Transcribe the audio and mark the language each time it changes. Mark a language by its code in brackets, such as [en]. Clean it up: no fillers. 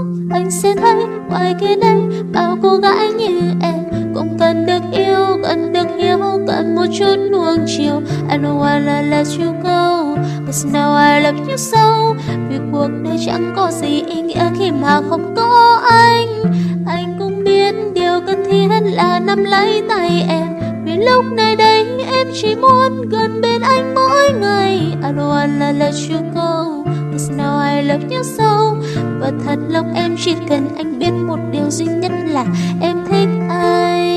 [vi] Anh sẽ thấy ngoài kia đây bao cô gái như em, cũng cần được yêu, cần được hiểu, cần một chút nuông chiều. [en] I don't wanna let you go, cause now I love you so. [vi] Vì cuộc đời chẳng có gì ý nghĩa khi mà không có anh. Anh cũng biết điều cần thiết là nắm lấy tay em, vì lúc này đây em chỉ muốn gần bên anh mỗi ngày. [en] I don't wanna let you go, cause now I love you so. [vi] Và thật lòng em chỉ cần anh biết một điều duy nhất là em thích anh.